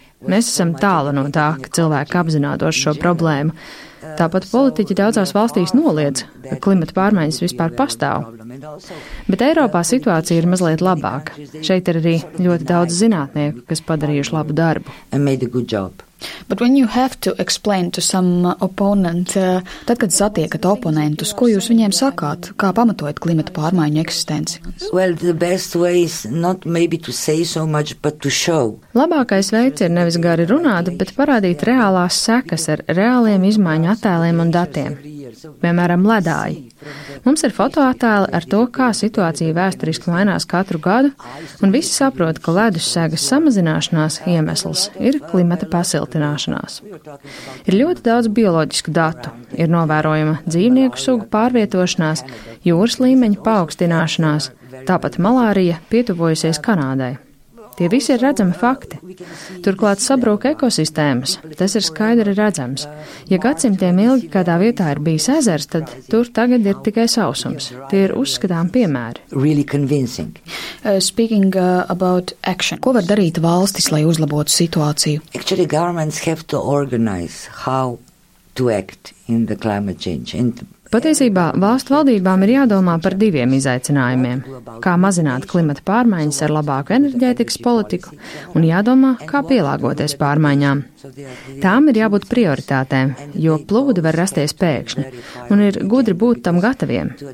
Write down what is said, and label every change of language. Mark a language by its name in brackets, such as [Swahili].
[Latvian] Mēs esam tālu no tā, ka cilvēki apzinātos šo problēmu. Tāpat politiķi daudzās valstīs noliedz, ka klimata pārmaiņas vispār pastāv. Bet Eiropā situācija ir mazliet labāka. Šeit ir arī ļoti daudz zinātnieku, kas padarījuši labu darbu. [English] But when you have to explain to some opponent, [Latvian] tad, kad satiekat oponentus, ko jūs viņiem sakāt, kā pamatojat klimata pārmaiņu eksistenci? [English] Well, the best way is not maybe to say so much, but to show. [Latvian] Labākais veids ir nevis gari runāt, bet parādīt reālās sekas ar reāliem izmaiņu attēliem un datiem. Piemēram, ledāji. Mums ir fotoattēli ar to, kā situācija vēsturiski mainās katru gadu, un visi saprot, ka ledus segas samazināšanās iemesls ir klimata pasiltināšanās. Ir ļoti daudz bioloģisku datu, ir novērojama dzīvnieku sugu pārvietošanās, jūras līmeņa paaugstināšanās, tāpat malārija pietuvojusies Kanādai. Tie visi ir redzami fakti. Turklāt sabrūk ekosistēmas, tas ir skaidri redzams. Ja gadsimtiem ilgi kādā vietā ir bijis ezers, tad tur tagad ir tikai sausums. Tie ir uzskatām piemēri. [English] Really convincing. Speaking about action. [Latvian] Ko var darīt valstis, lai uzlabotu situāciju? [English] Actually, governments have to organize how to act in the climate change. [Latvian] Patiesībā, valstu valdībām ir jādomā par 2 izaicinājumiem – kā mazināt klimata pārmaiņas ar labāku enerģētikas politiku un jādomā, kā pielāgoties pārmaiņām. Tām ir jābūt prioritātēm, jo plūdi var rasties pēkšņi, un ir gudri būt tam gataviem.